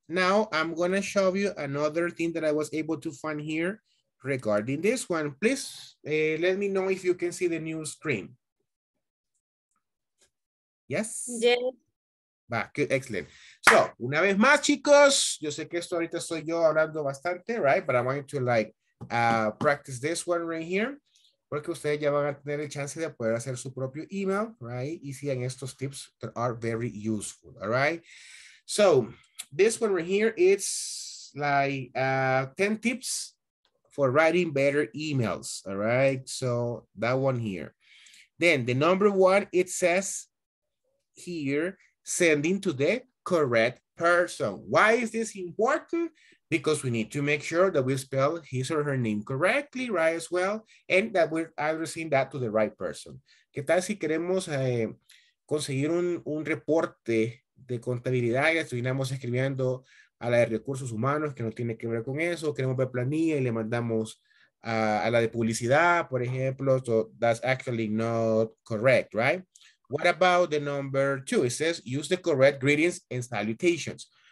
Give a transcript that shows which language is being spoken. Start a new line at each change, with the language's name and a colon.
English: Now I'm going to show you another thing that I was able to find here regarding this one. Please let me know if you can see the new screen. Yes? Yes. Bah, good, excellent.
Spanish: So, una vez más, chicos, yo sé que esto ahorita soy yo hablando bastante, right?
English: But I want you to like practice this one right here,
Spanish: porque ustedes ya van a tener el chance de poder hacer su propio email,
English: right?
Spanish: Y sigan estos tips
English: that are very useful, all right? So, this one right here, it's like 10 tips for writing better emails, all right? So, that one here. Then, the number one, it says here, sending to the correct person. Why is this important? Because we need to make sure that we spell his or her name correctly, right, as well, and that we're addressing that to the right person.
Spanish: ¿Qué tal si queremos conseguir un reporte de contabilidad y estuvimos escribiendo a la de recursos humanos que no tiene que ver con eso, queremos ver planilla y le mandamos a la de publicidad, por ejemplo?
English: So that's actually not correct, right? What about the number two? It says use the correct greetings and salutations.